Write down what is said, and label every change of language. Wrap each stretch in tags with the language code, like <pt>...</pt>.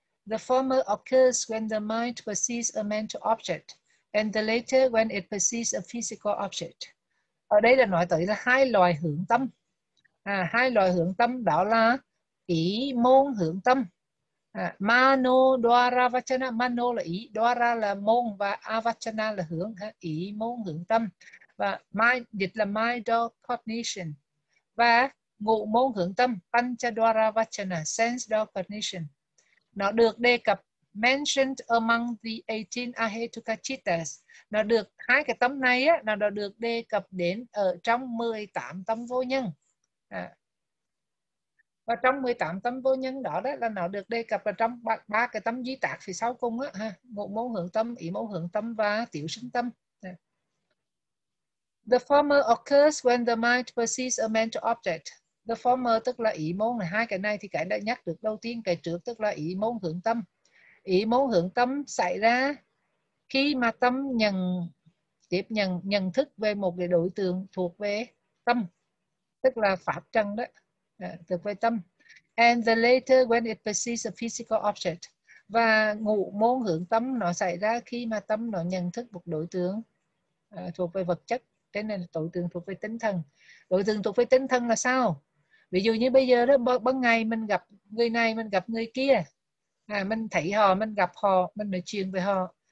<en>The former occurs when the mind perceives a mental object and the latter when it perceives a physical object.</en> <vi>Ở đây là nói tới là hai loại hướng tâm. Hai loại hướng tâm đó là ý môn hướng tâm. Mano dvara vachana, mano là ý, dvara là môn, và avachana là hướng, ý môn hướng tâm, và mind, dịch là</vi> <en>mind or cognition,</en> <vi>và ngụ môn hướng tâm, pancha dvara vachana,</vi> <en>sense or cognition.</en> <vi>Nó được đề cập,</vi> <en>mentioned among the 18 ahetuka chittas.</en> <vi>Nó được, hai cái tâm này á, nó được đề cập đến ở trong 18 tâm vô nhân. Và trong 18 tâm vô nhân đó là nó được đề cập ở trong ba cái tâm di tạc phía sau cùng á ha, ngũ môn hướng tâm, ý môn hướng tâm và tiểu sinh tâm.</vi> <en>The former occurs when the mind perceives a mental object. The former</en> <vi>tức là ý môn này, hai cái này thì cái đã nhắc được đầu tiên, cái trước tức là ý môn hướng tâm. Ý môn hướng tâm xảy ra khi mà tâm nhận thức về một cái đối tượng thuộc về tâm, tức là pháp trần đó. Thực về tâm.</vi> <en>And the later when it perceives a physical object.</en> <vi>Và ngụ môn hướng tâm nó xảy ra khi mà tâm nó nhận thức một đối tượng thuộc về vật chất. Cái này là tối thượng thuộc về tinh thần. Tối thượng thuộc về tinh thần là sao? Ví dụ như bây giờ đó, ban ngày mình gặp người này, mình gặp người kia, à, mình thấy họ, mình gặp họ, mình nói chuyện với họ.</vi>